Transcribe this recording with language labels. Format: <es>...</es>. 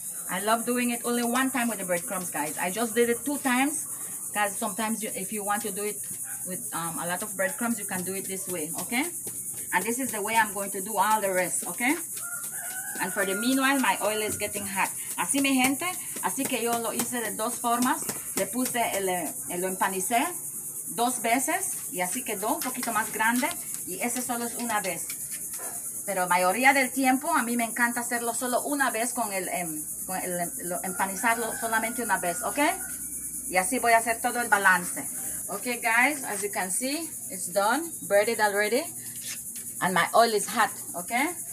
<en>I love doing it only one time with the breadcrumbs, guys. I just did it two times, because sometimes if you want to do it with a lot of breadcrumbs, you can do it this way, okay? And this is the way I'm going to do all the rest, okay? And for the meanwhile, my oil is getting hot.</en> <es>Así, mi gente, así que yo lo hice de dos formas. Le puse el empanicé dos veces, y así quedó un poquito más grande, y ese solo es una vez. Pero mayoría del tiempo, a mí me encanta hacerlo solo una vez con el empanizarlo solamente una vez, okay? Y así voy a hacer todo el balance.</es> <en>Okay, guys, as you can see, it's done, breaded already, and my oil is hot, okay?</en>